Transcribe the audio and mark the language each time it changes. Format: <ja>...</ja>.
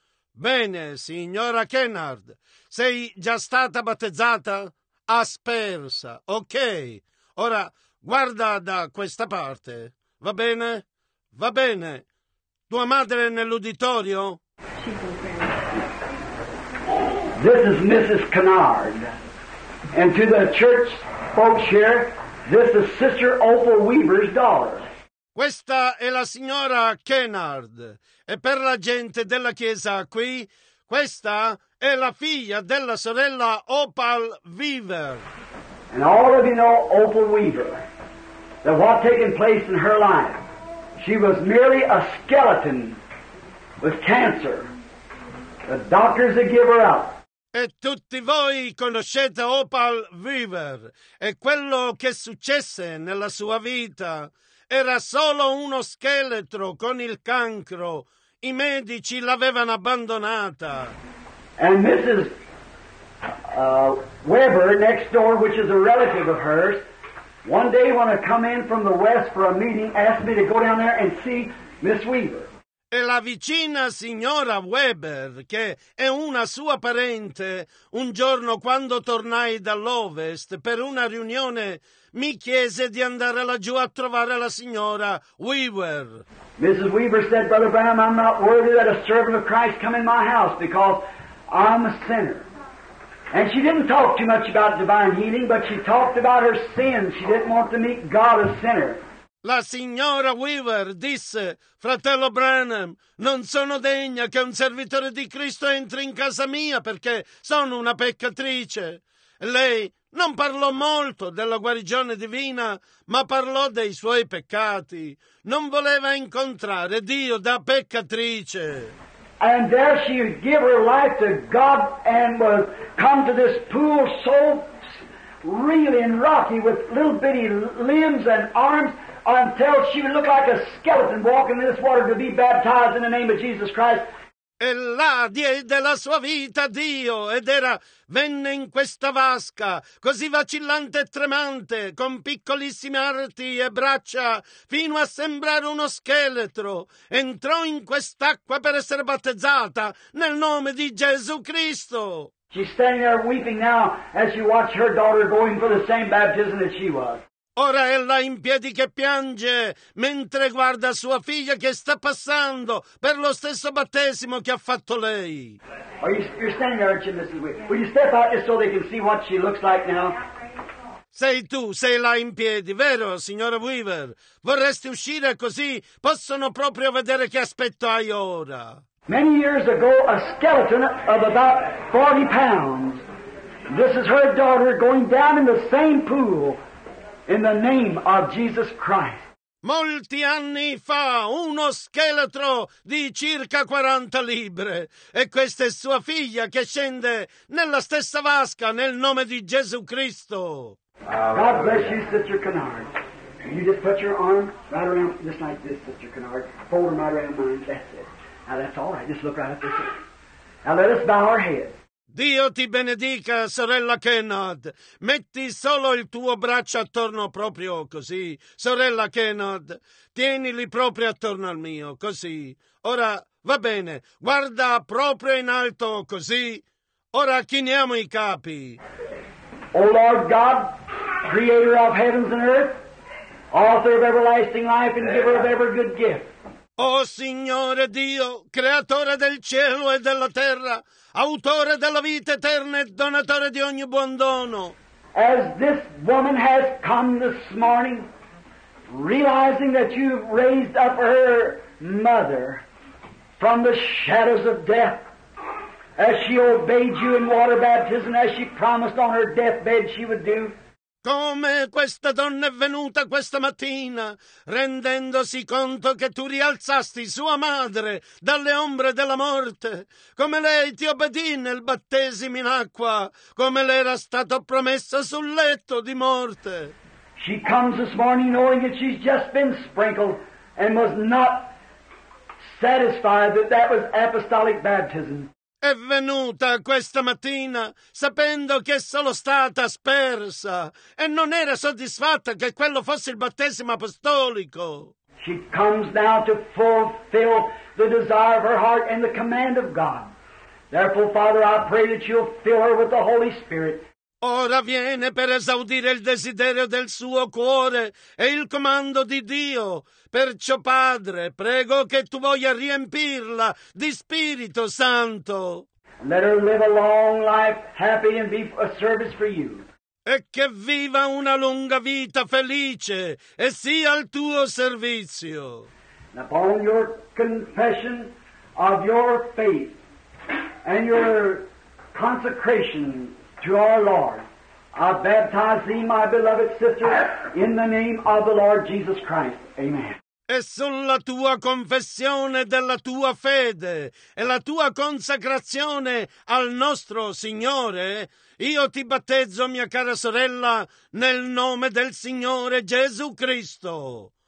<it>Bene, signora Kennard, sei già stata battezzata? Aspersa, ok. Ora guarda da questa parte, va bene? Va bene. Tua madre è nell'uditorio?</it> <en>This is Mrs. Kennard. And to the church folks here, this is Sister Opal Weaver's daughter.</en> <it>Questa è la signora Kennard. E per la gente della chiesa qui, questa è la figlia della sorella Opal Weaver.</it> <en>And all of you know Opal Weaver, that what taken place in her life, she was merely a skeleton with cancer. The doctors had given her up.</en> <it>E tutti voi conoscete Opal Weaver e quello che successe nella sua vita. Era solo uno scheletro con il cancro. I medici l'avevano abbandonata.</it> <en>And Mrs. Weber, next door, which is a relative of hers, one day when I come in from the west for a meeting, asked me to go down there and see Miss Weaver.</en> <it>E la vicina signora Weber, che è una sua parente, un giorno quando tornai dall'Ovest per una riunione, mi chiese di andare laggiù a trovare la signora Weber.</it> <en>Mrs. Weber said, Brother Branham, I'm not worthy that a servant of Christ come in my house because I'm a sinner. And she didn't talk too much about divine healing, but she talked about her sin. She didn't want to meet God a sinner.</en> <it>La signora Weaver disse, fratello Branham, non sono degna che un servitore di Cristo entri in casa mia perché sono una peccatrice. Lei non parlò molto della guarigione divina, ma parlò dei suoi peccati. Non voleva incontrare Dio da peccatrice.</it> <en>And there she gave her life to God and was come to this poor soul, really and rocky, with little bitty limbs and arms, until she would look like a skeleton walking in this water to be baptized in the name of Jesus Christ.</en> <it>E là diede la sua vita a Dio, ed era venne in questa vasca, così vacillante e tremante, con piccolissime arti e braccia, fino a sembrare uno scheletro. Entrò in quest'acqua per essere battezzata nel nome di Gesù Cristo.</it> <en>She's standing there weeping now as she watched her daughter going for the same baptism that she was.</en> <it>Ora ella in piedi che piange mentre guarda sua figlia che sta passando per lo stesso battesimo che ha fatto lei.</it> <en>You're standing there, aren't you, Mrs. Weaver? Will you step out just so they can see what she looks like now?</en> <it>Sei tu, sei là in piedi, vero, signora Weaver? Vorresti uscire così possono proprio vedere che aspetto hai ora.</it> <en>Many years ago, a skeleton of about 40 pounds. This is her daughter going down in the same pool. In the name of Jesus Christ.</en> <it>Molti anni fa, uno scheletro di circa 40 libbre. E questa è sua figlia che scende nella stessa vasca nel nome di Gesù Cristo.</it> <en>God bless you, Sister Kennard. You just put your arm right around, just like this, Sister Kennard. Fold them right around mine. That's it. Now that's all right. Just look right at this. Now let us bow our heads.</en> <it>Dio ti benedica, sorella Kennard. Metti solo il tuo braccio attorno proprio così, sorella Kennard. Tienili proprio attorno al mio, così. Ora, va bene, guarda proprio in alto, così. Ora chiniamo i capi.</it> <en>O Lord God, creator of heavens and earth, author of everlasting life and giver of every good gift.</en> <it>O Signore Dio, creatore del cielo e della terra, autore della vita eterna e donatore di ogni buon dono.</it> <en>As this woman has come this morning, realizing that you've raised up her mother from the shadows of death, as she obeyed you in water baptism, as she promised on her deathbed she would do,</en> <it>come questa donna è venuta questa mattina, rendendosi conto che tu rialzasti sua madre dalle ombre della morte, come lei ti obbedì nel battesimo in acqua, come le era stato promesso sul letto di morte.</it> <en>She comes this morning knowing that she's just been sprinkled and was not satisfied that that was apostolic baptism.</en> <it>È venuta questa mattina sapendo che è solo stata aspersa e non era soddisfatta che quello fosse il battesimo apostolico.</it> <en>She comes now to fulfill the desire of her heart and the command of God. Therefore, Father, I pray that you'll fill her with the Holy Spirit.</en> <it>Ora viene per esaudire il desiderio del suo cuore e il comando di Dio. Perciò, Padre, prego che tu voglia riempirla di Spirito Santo.</it> <en>Let her live a long life, happy and be a service for you.</en> <it>E che viva una lunga vita felice e sia al tuo servizio.</it> <en>And upon your confession of your faith and your consecration to our Lord, I baptize thee, my beloved sister, in the name of the Lord Jesus Christ. Amen.</en> <it>E sulla tua confessione della tua fede e la tua consacrazione al nostro Signore, io ti battezzo, mia cara sorella, nel nome del Signore Gesù Cristo.</it>